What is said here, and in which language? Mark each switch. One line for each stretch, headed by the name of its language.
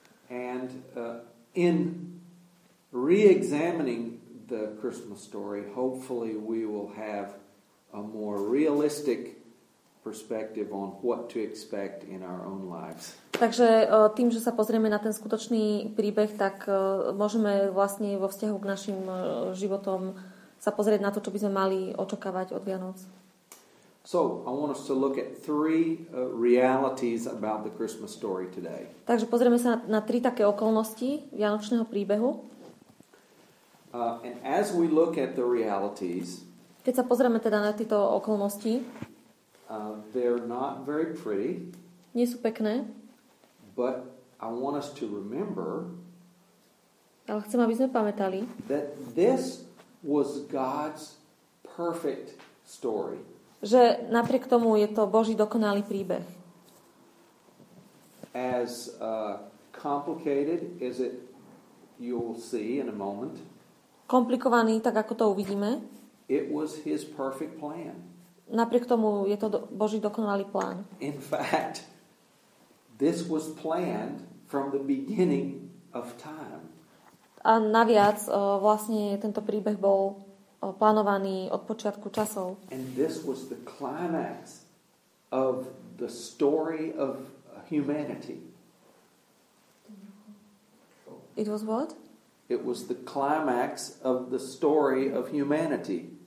English: And in re-examining the Christmas story, hopefully we will have a more realistic perspective on what to expect in our own lives.
Slovak: Takže tým, že sa pozrieme na ten skutočný príbeh, tak môžeme vlastne vo vzťahu k našim životom sa pozrieť na to, čo by sme mali očakávať od Vianoc.
English: So, I want us to look at three realities about the Christmas story today.
Slovak: Takže pozrieme sa na tri také okolnosti vianočného príbehu.
English: And as we look at the realities,
Slovak: keď sa pozrieme teda na tieto okolnosti,
English: they're not very pretty.
Slovak: Nie sú pekné.
English: But I want us to remember,
Slovak: ale chcem, aby sme pamätali,
English: that this was God's perfect story.
Slovak: Že napriek tomu je to Boží dokonalý príbeh.
English: As complicated as it you'll see in a moment.
Slovak: Komplikovaný, tak ako to uvidíme.
English: It was his perfect plan.
Slovak: Napriek tomu je to Boží dokonalý plán.
English: In fact, this was planned from the beginning of time.
Slovak: A naviac, vlastne tento príbeh bol plánovaný od počiatku časov.
English: And this was the climax of the story of humanity. It was what? It was the climax of the story of humanity.